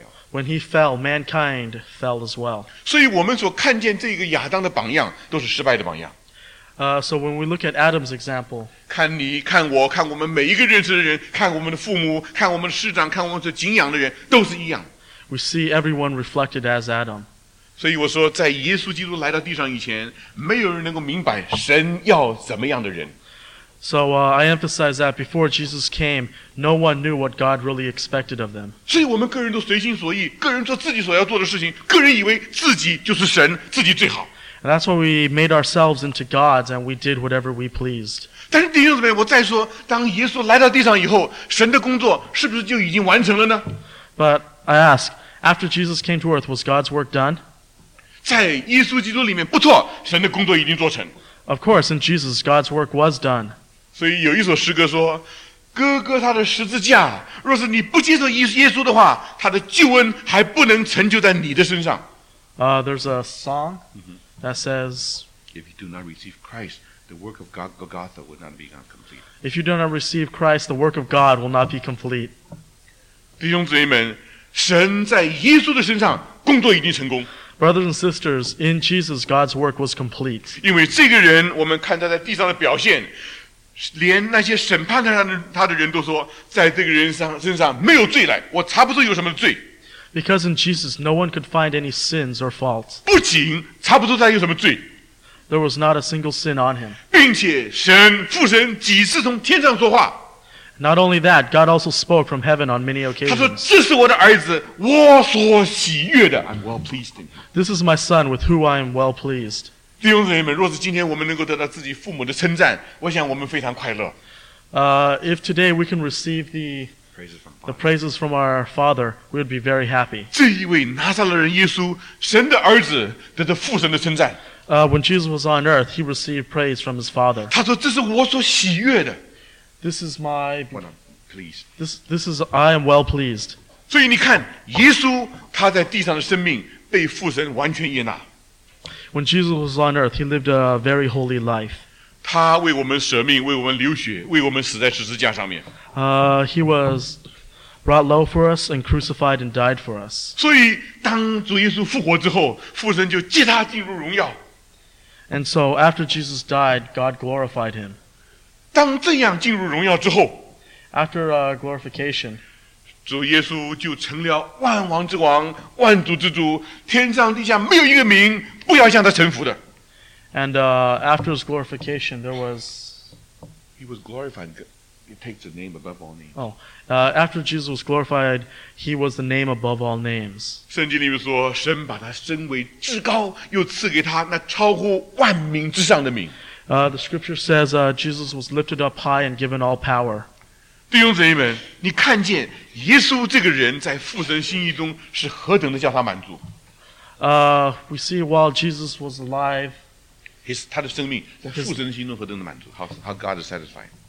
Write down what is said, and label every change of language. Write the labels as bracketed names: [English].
[English] When he fell, mankind fell as well. [Chinese] 所以我们所看见这个亚当的榜样都是失败的榜样。 [English] So when we look at Adam's example, [Chinese] 看你看我看我们每一个认识的人看我们的父母看我们的师长看我们所敬仰的人都是一样。 [English] We see everyone reflected as Adam. [Chinese] 所以我说在耶稣基督来到地上以前没有人能够明白神要怎么样的人。 [English] So I emphasize that before Jesus came, no one knew what God really expected of them. [Chinese] 所以我们个人都随心所欲个人做自己所要做的事情个人以为自己就是神自己最好。 [English] And that's why we made ourselves into gods and we did whatever we pleased. [Chinese] 但是弟兄姊妹，我再说，当耶稣来到地上以后，神的工作是不是就已经完成了呢？ [English] But I ask, after Jesus came to earth, was God's work done? [Chinese] 在耶稣基督里面，不错，神的工作已经做成。 [English] Of course, in Jesus, God's work was done. [Chinese] 所以有一首诗歌说，哥哥他的十字架，若是你不接受耶稣的话，他的救恩还不能成就在你的身上。 [English] There's a song. Mm-hmm. That says, if you do not receive Christ, the work of God, Golgotha will not be complete. If you do not receive Christ, the work of God will not be complete. [Chinese] 弟兄姊妹们，神在耶稣的身上工作已经成功。 [English] Brothers and sisters, in Jesus, God's work was complete. [Chinese] 因为这个人，我们看他在地上的表现，连那些审判他的人都说，在这个人身上没有罪来，我查不出有什么罪。 [English] Because in Jesus, no one could find any sins or faults. [Chinese] 不仅查不出他有什么罪。 [English] There was not a single sin on him. [Chinese] 并且神父神几次从天上说话。 [English] Not only that, God also spoke from heaven on many occasions. [Chinese] 他说，这是我的儿子，我所喜悦的。 [English] I'm well pleased in him. This is my son with whom I am well pleased. [Chinese] 弟兄姊妹们，若是今天我们能够得到自己父母的称赞，我想我们非常快乐。 [English] If today we can receive the praises from our Father, we would be very happy. [Chinese] 这一位拿撒勒人耶稣，神的儿子，得到父神的称赞。 [English] When Jesus was on earth, he received praise from his Father. [Chinese] 他说：“这是我所喜悦的。” [English] This is my what I'm pleased. This is I am well pleased. [Chinese] 所以你看，耶稣他在地上的生命被父神完全接纳。 [English] When Jesus was on earth, he lived a very holy life. [Chinese] 他为我们舍命，为我们流血，为我们死在十字架上面。 [English] He was brought low for us and crucified and died for us. [Chinese] 所以，当主耶稣复活之后，父神就接他进入荣耀。 [English] And so, after Jesus died, God glorified him. [Chinese] 当这样进入荣耀之后 [English] ，After glorification, [Chinese] 主耶稣就成了万王之王、万主之主，天上地下没有一个名不要向他臣服的。 [English] And after his glorification, there was... He was glorified. It takes the name above all names. Oh, after Jesus was glorified, he was the name above all names. [Chinese] 圣经里面说，神把他升为至高，又赐给他那超乎万民之上的名。 [English] The scripture says, Jesus was lifted up high and given all power. [Chinese] 弟兄姊妹们，你看见耶稣这个人在父神心意中是何等的叫他满足。 [English] We see while Jesus was alive, [Chinese] 他的生命在父神的心中何等的满足 [English] how God is satisfied.